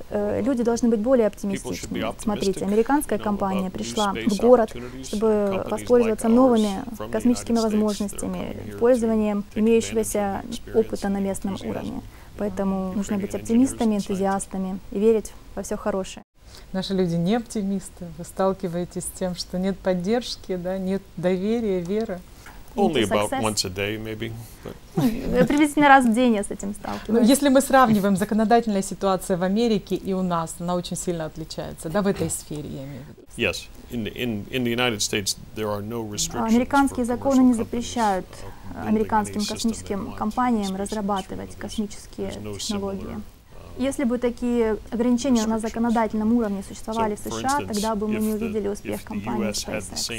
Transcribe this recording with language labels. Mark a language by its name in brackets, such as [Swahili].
[Russian] Люди должны быть более оптимистичны. Смотрите, американская компания пришла в город, чтобы воспользоваться новыми космическими возможностями, пользованием имеющегося опыта на местном уровне. Поэтому нужно быть оптимистами, энтузиастами и верить во все хорошее. Наши люди не оптимисты. Вы сталкиваетесь с тем, что нет поддержки, да, нет доверия, веры. [English] Only about once a day, maybe. [Russian] Приблизительно раз в день я с этим сталкиваюсь. Но если мы сравниваем, законодательная ситуация в Америке и у нас, она очень сильно отличается, да, в этой сфере, я имею в виду. [English] Yes, in the United States there are no restrictions. [Russian] Американские законы не запрещают американским космическим компаниям разрабатывать космические технологии. Если бы такие ограничения на законодательном уровне существовали в США, тогда бы мы не увидели успех компании SpaceX.